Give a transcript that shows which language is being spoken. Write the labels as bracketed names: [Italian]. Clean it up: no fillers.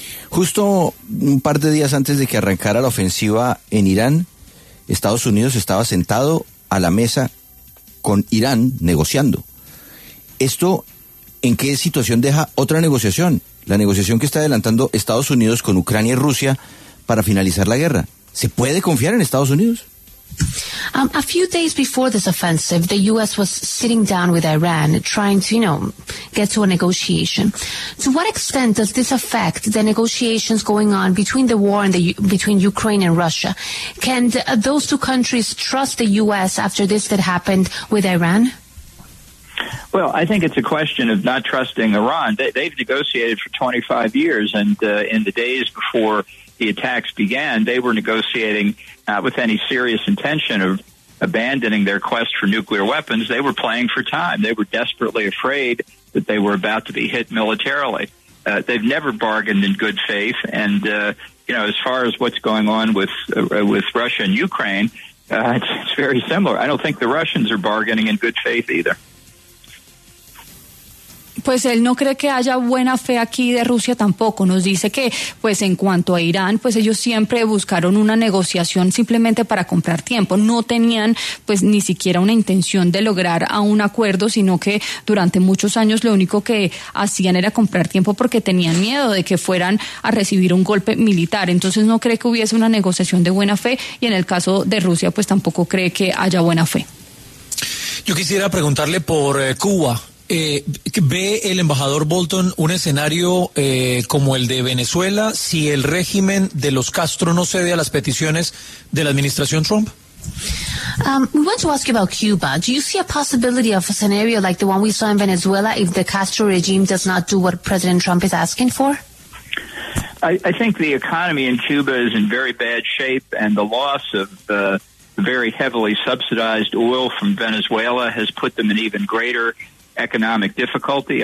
[Spanish] Justo un par de días antes de que arrancara la ofensiva en Irán, Estados Unidos estaba sentado a la mesa con Irán negociando. Esto, ¿en qué situación deja otra negociación? La negociación que está adelantando Estados Unidos con Ucrania y Rusia para finalizar la guerra. ¿Se puede confiar en Estados Unidos? [English] A few days before this offensive, the U.S. was sitting down with Iran, trying to, you know, get to a negotiation. To what extent does this affect the negotiations going on between the war and the between Ukraine and Russia? Can those two countries trust the U.S. after this that happened with Iran? Well, I think it's a question of not trusting Iran. They've negotiated for 25 years, and in the days before the attacks began, they were negotiating not with any serious intention of abandoning their quest for nuclear weapons. They were playing for time. They were desperately afraid that they were about to be hit militarily. They've never bargained in good faith. And, you know, as far as what's going on with Russia and Ukraine, it's very similar. I don't think the Russians are bargaining in good faith either. [Spanish] Pues él no cree que haya buena fe aquí de Rusia tampoco. Nos dice que, pues en cuanto a Irán, pues ellos siempre buscaron una negociación simplemente para comprar tiempo. No tenían, pues ni siquiera una intención de lograr a un acuerdo, sino que durante muchos años lo único que hacían era comprar tiempo porque tenían miedo de que fueran a recibir un golpe militar. Entonces no cree que hubiese una negociación de buena fe, y en el caso de Rusia, pues tampoco cree que haya buena fe. Yo quisiera preguntarle por Cuba. ¿Ve el embajador Bolton un escenario como el de Venezuela si el régimen de los Castro no cede a las peticiones de la administración Trump? [English] We want to ask you about Cuba. Do you see a possibility of a scenario like the one we saw in Venezuela if the Castro regime does not do what President Trump is asking for? I think the economy in Cuba is in very bad shape, and the loss of the very heavily subsidized oil from Venezuela has put them in even greater economic difficulty.